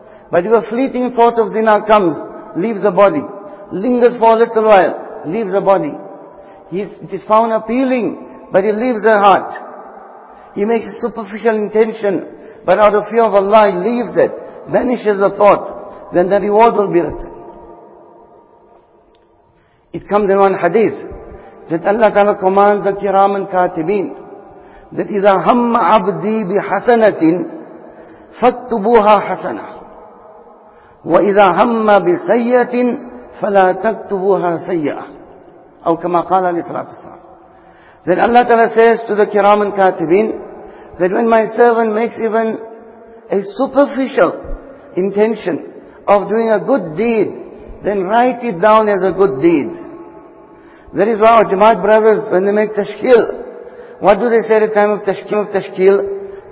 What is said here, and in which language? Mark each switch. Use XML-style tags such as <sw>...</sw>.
<en>But if a fleeting thought of zina comes, leaves the body, lingers for a little while, leaves the body, it is found appealing, but it leaves the heart. He makes a superficial intention, but out of fear of Allah, he leaves it, banishes the thought, then the reward will be written. It comes in one hadith, that Allah Ta'ala commands the kiram and katibin, that</en> <ar>إِذَا هَمَّ عَبْدِي بِحَسَنَةٍ فَاكْتُبُوهَا حَسَنَةٍ وَإِذَا هَمَّ بِسَيَّةٍ فَلَا تَكْتُبُوهَا سَيَّةٍ أو كما قال عليه الصلاة والسلام.</ar> <en>Then Allah Ta'ala says to the kiram and katibin, that when my servant makes even a superficial intention of doing a good deed, then write it down as a good deed. That is why our Jamaat brothers, when they make tashkil, what do they say at the time of tashkil?</en>